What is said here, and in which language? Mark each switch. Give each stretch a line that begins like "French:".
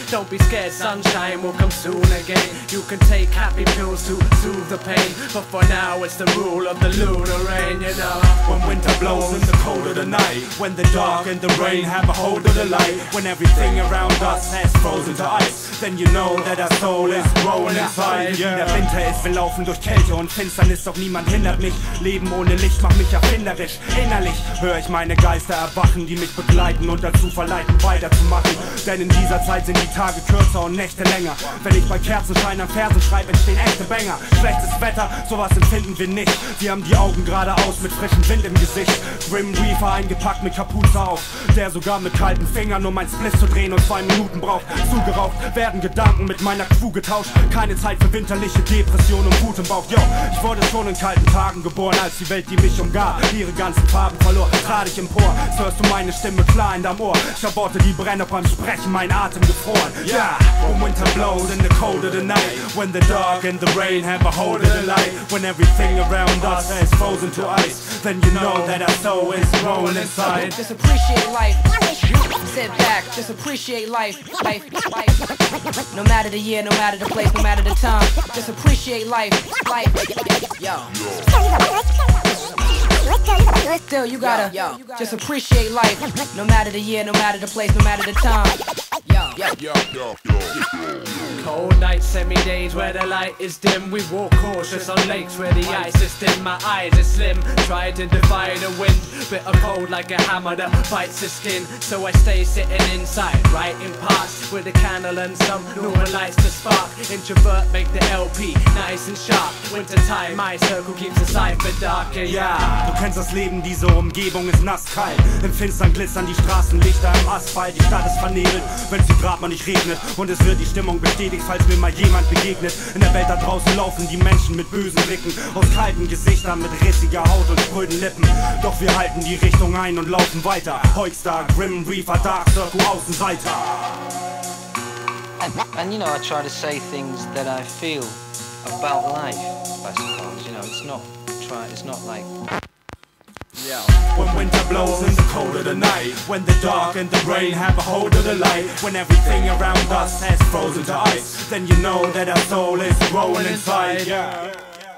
English: Don't be scared, sunshine will come soon again. You can take happy pills to soothe the pain, but for now it's the rule of the lunar rain, you know. When winter blows in the cold of the night, when the dark and the rain have a hold of the light, when everything around us has frozen to ice, then you know that our soul is growing inside. Yeah.
German: Der Winter ist, wir laufen durch Kälte und Finsternis, doch niemand hindert mich. Leben ohne Licht macht mich erfinderisch. Innerlich höre ich meine Geister erwachen, die mich begleiten und dazu verleiten, weiterzumachen. Denn in dieser Zeit sind die Tage kürzer und Nächte länger. Wenn ich bei Kerzenschein an Fersen schreibe, entstehen echte Banger. Schlechtes Wetter, sowas empfinden wir nicht. Wir haben die Augen geradeaus mit frischem Wind im Gesicht. Grim Reaper eingepackt mit Kapuze auf, der sogar mit kalten Fingern, um ein Spliff zu drehen und 2 Minuten braucht. Zugeraucht werden Gedanken mit meiner Crew getauscht. Keine Zeit für winterliche Depression und Wut im Bauch. Yo, ich wurde schon in kalten Tagen geboren, als die Welt, die mich umgab, ihre ganzen Farben verlor. Trat ich empor, jetzt hörst du meine Stimme klar in deinem Ohr. Ich hab Worte, die brennen beim Sprechen, mein Atem gefroren.
English: Yeah, when winter blows in the cold of the night, when the dark and the rain have a hold of the light, when everything around us is frozen to ice, then you know that our soul is growing inside. Just appreciate life, sit back, just appreciate life, life, life. No matter the year, no matter the place, no matter the time, just appreciate life, life. Yo. Still, you gotta, yo, yo, just appreciate life. No matter the year, no matter the place, no matter the time. Yo. Cold nights, semi days where the light is dim. We walk cautious on lakes where the ice is thin. My eyes are slim, try to defy the wind. Bit of cold like a hammer that bites the skin. So I stay sitting inside, writing parts with a candle and some normal lights to spark. Introvert, make the LP nice and sharp. Winter time, my circle keeps the cipher darker. Yeah.
German: Du kennst das Leben, diese Umgebung ist nass kalt. Im Finstern glitzern die Straßenlichter am Asphalt. Die Stadt ist vernebelt, wenn's die Grab nicht regnet. Und es wird die Stimmung bestätigt, falls mir mal jemand begegnet. In der Welt da draußen laufen die Menschen mit bösen Blicken, aus kalten Gesichtern, mit rissiger Haut und spröden Lippen. Doch wir halten die Richtung ein und laufen weiter. Heugstar, Grim Reaper, Dark Circle, Außenseiter.
English: And you know, I try to say things that I feel about life, I suppose. You know, it's not like... Yeah. When winter blows in the cold of the night, when the dark and the rain have a hold of the light, when everything around us has frozen to ice, then you know that our soul is growing inside. Yeah.